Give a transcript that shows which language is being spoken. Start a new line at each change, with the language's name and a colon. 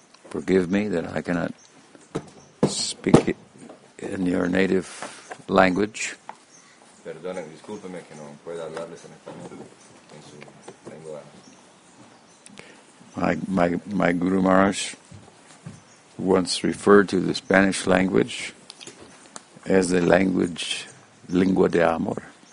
English: Forgive me that I cannot speak in your native language.
Spanish: Perdona, discúlpeme que no pueda hablarles en español, en su lengua.
English: My Guru Maharaj once referred to the Spanish language as the language
Spanish: lingua de amor.